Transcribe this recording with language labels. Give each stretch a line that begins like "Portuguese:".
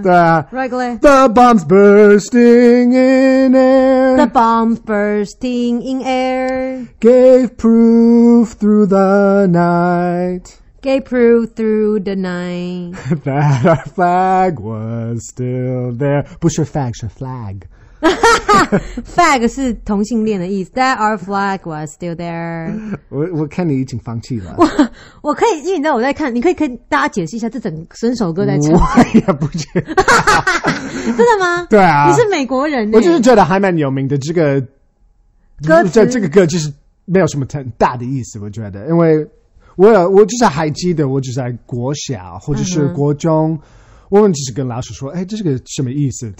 English: The bombs bursting in air. The bombs bursting in air. Gave proof through the night. Gave proof through the night. That our flag was still there.
Chinese: 不是 flag, 是 flag. Flag 是同性恋的意思。
English: That our flag was still there.
Chinese: 我看你已经放弃了。我可以，因为你知道我在看，你可以跟大家解释一下这整首歌在唱。我也不觉得。真的吗？对啊。你是美国人、欸。我就是觉得还蛮有名的这个歌词。这个歌就是没有什么很大的意思，我觉得。因为我就是还记得，我就是在国小或者是国中、嗯，我们就是跟老师说，哎，这是个什么意思？